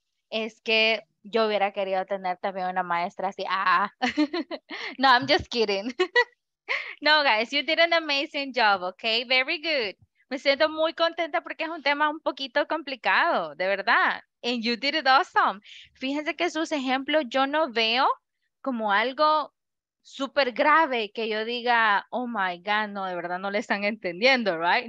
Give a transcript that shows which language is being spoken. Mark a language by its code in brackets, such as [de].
[es] Es que yo hubiera querido tener también una maestra así. [en] Ah. No, I'm just kidding. No, guys, you did an amazing job, okay? Very good. [es] Me siento muy contenta porque es un tema un poquito complicado, de verdad. [en] And you did it awesome. [es] Fíjense que sus ejemplos yo no veo como algo súper grave que yo diga, [en] oh my God, [es] no, de verdad no le están entendiendo, [en] right?